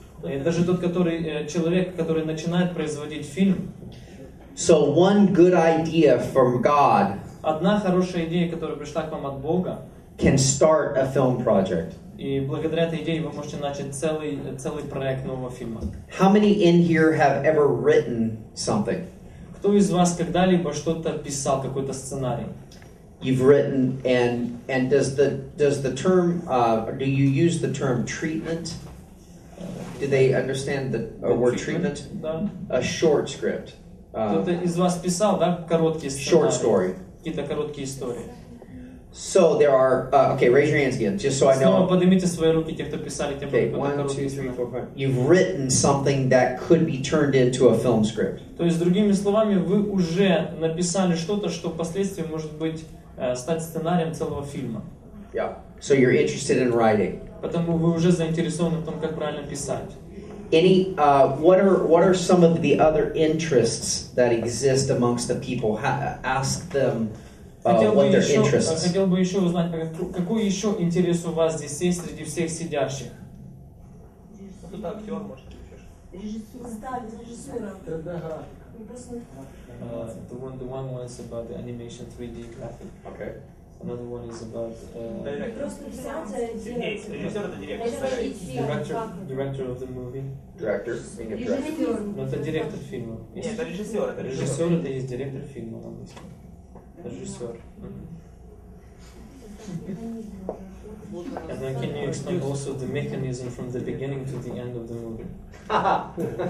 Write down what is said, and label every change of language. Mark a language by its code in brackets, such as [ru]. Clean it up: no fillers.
[ru] Даже тот, который человек, который начинает производить фильм. [en] So one good idea from God. [ru] Одна хорошая идея, которая пришла к вам от Бога. [en] Can start a film project. [ru] И благодаря этой идее вы можете начать целый проект нового фильма. [en] How many in here have ever written something? [ru] Кто из вас когда-либо что-то писал, какой-то сценарий? [en] You've written and does the term do you use the term treatment? Do they understand the word treatment? [ru] Да. [en] A short script. [ru] Кто-то из вас писал, да, короткий сценарий. [en] Short story. [ru] Какие-то короткие истории. [en] So there are okay. Raise your hands again, just so I know. [ru] Снова поднимите свои руки те, кто писали, те, кто писал. [en] Okay, 1, 2, 3, 4, 5. You've written something that could be turned into a film script. [ru] То есть другими словами, вы уже написали что-то, что впоследствии может быть стать сценарием целого фильма. [en] Yeah. So you're interested in writing. [ru] Потому вы уже заинтересованы в том, как правильно писать. [en] Any what are some of the other interests that exist amongst the people? Ask them what their interests. [ru] Хотел бы еще узнать, какой еще интерес у вас здесь есть среди всех сидящих? Кто-то актер, может, еще. Режиссером. [en] The one was about the animation 3D graphic. Okay. Another one is about director of the movie. Director. No, the director film. Yeah, the director. [ru] Режиссер это есть директор фильма на английском. Режиссер. [en] And then can you explain also the mechanism from the beginning to the end of the movie?